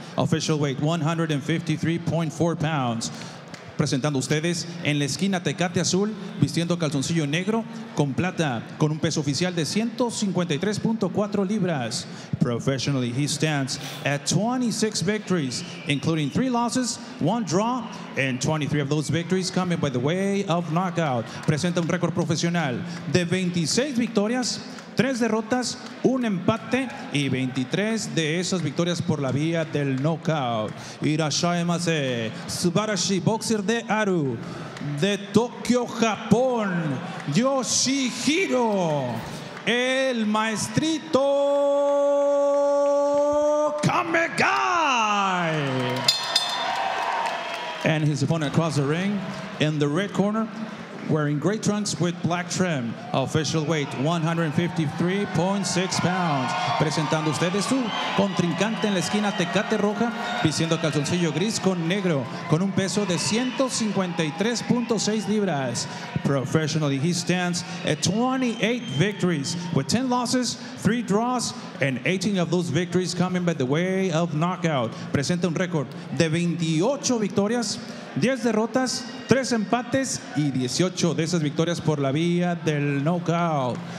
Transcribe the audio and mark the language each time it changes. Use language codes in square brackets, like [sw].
[en] Official weight, 153.4 pounds. [es] Presentando ustedes en la esquina Tecate Azul, vistiendo calzoncillo negro con plata, con un peso oficial de 153.4 libras. [en] Professionally, he stands at 26 victories, including 3 losses, 1 draw, and 23 of those victories coming by the way of knockout. [es] Presenta un récord profesional de 26 victorias, 3 derrotas, 1 empate, y 23 de esas victorias por la vía del knockout. [ja] Irashaemase, Subarashi, [es] boxer de Aru, de Tokio, Japón, Yoshihiro, el maestrito Kamegai. [en] And his opponent across the ring, in the red corner, wearing gray trunks with black trim. Official weight, 153.6 pounds. [es] Presentando ustedes su contrincante en la esquina Tecate Roja, vistiendo calzoncillo gris con negro, con un peso de 153.6 libras. [en] Professionally, he stands at 28 victories, with 10 losses, 3 draws, and 18 of those victories coming by the way of knockout. [es] Presenta un récord de 28 victorias, 10 derrotas, 3 empates y 18 de esas victorias por la vía del knockout.